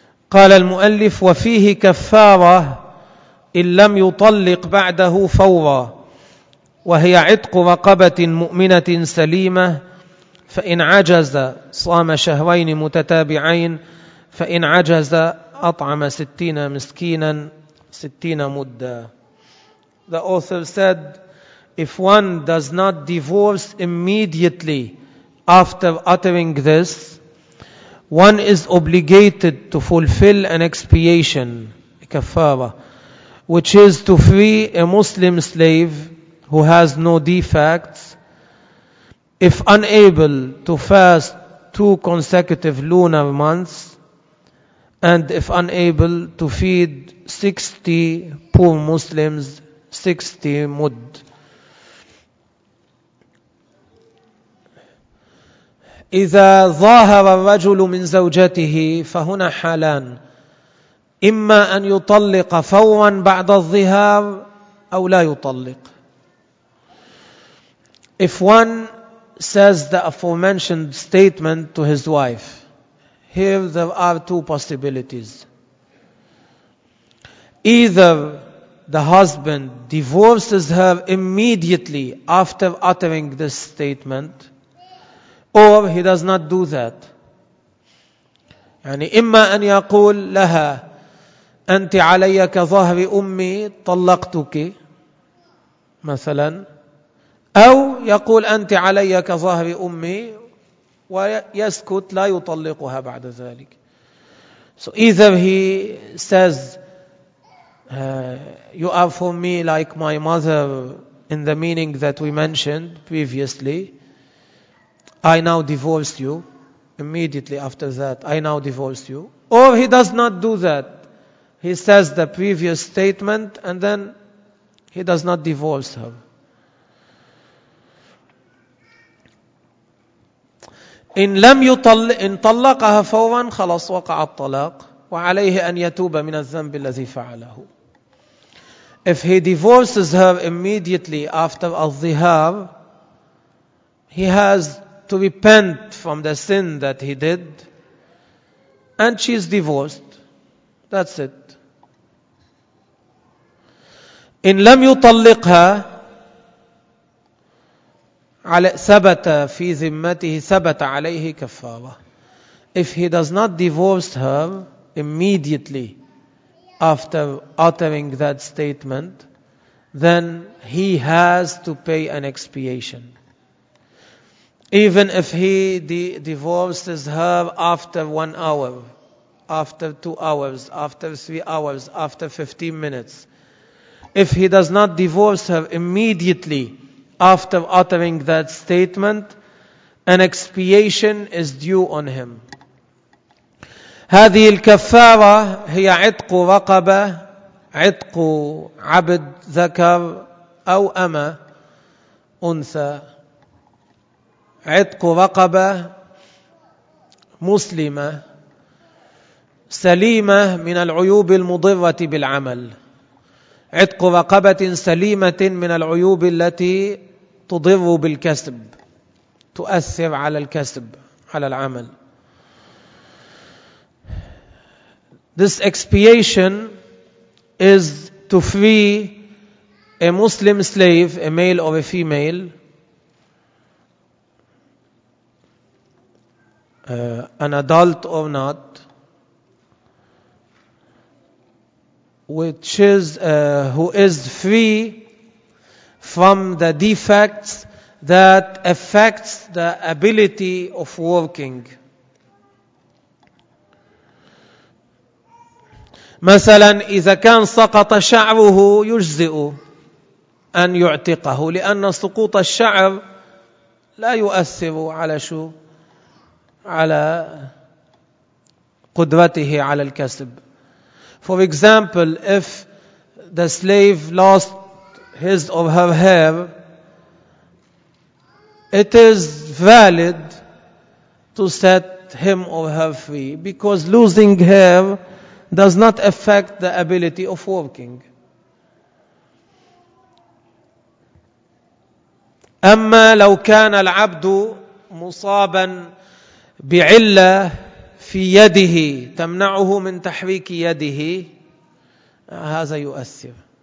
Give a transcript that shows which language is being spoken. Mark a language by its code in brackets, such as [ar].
[ar] قال المؤلف وفيه كفارة إن لم يطلق بعده فورا وهي عتق رقبة مؤمنة سليمة فإن عجز صام شهرين متتابعين فإن عجز أطعم 60 مسكينا 60 مدة. [en] The author said, if one does not divorce immediately after uttering this, one is obligated to fulfill an expiation, a kafara, which is to free a Muslim slave who has no defects, if unable to fast 2 consecutive lunar months, and if unable to feed 60 poor Muslims 60 mud. [ar] إذا ظاهر الرجل من زوجته فهنا حالان، إما أن يطلق فورا بعد الظهار أو لا يطلق. [en] If one says the aforementioned statement to his wife, here there are 2 possibilities. Either the husband divorces her immediately after uttering this statement, or he does not do that. [ar] يعني إما أن يقول لها أنت علي كظهر أمي طلقتك مثلا، أو يقول أنت علي كظهر أمي ويسكت لا يطلقها بعد ذلك. [en] So either he says you are for me like my mother in the meaning that we mentioned previously, I now divorce you immediately after that. I now divorce you. Or he does not do that. He says the previous statement and then he does not divorce her. [ar] إن لم يطلق إن طلقها فورا خلاص وقع الطلاق وعليه أن يتوب من الذنب الذي فعله. [en] If he divorces her immediately after al-dhihar, he has to repent from the sin that he did, and she is divorced. That's it. [ar] إن لم يطلقها على ثبت في ذمته ثبت عليه كفارة. [en] If he does not divorce her immediately after uttering that statement, then he has to pay an expiation. Even if he divorces her after 1 hour, after 2 hours, after 3 hours, after 15 minutes, if he does not divorce her immediately after uttering that statement, an expiation is due on him. [ar] هذه الكفارة هي عتق رقبة، عتق عبد ذكر أو أمة أنثى. عتق رقبة مسلمة سليمة من العيوب المضرة بالعمل. عتق رقبة سليمة من العيوب التي تضر بالكسب، تؤثر على الكسب، على العمل. [en] This expiation is to free a Muslim slave, a male or a female, an adult or not, which is who is free from the defects that affects the ability of working. [ar] مثلا إذا كان سقط شعره يجزئ أن يعتقه لأن سقوط الشعر لا يؤثر على شو على قدرته على الكسب. [en] For example, if the slave lost his or her hair, it is valid to set him or her free because losing hair does not affect the ability of working. [ar] أما لو كان العبد مصابا بعلة في يده تمنعه من تحريك يده هذا يؤثر.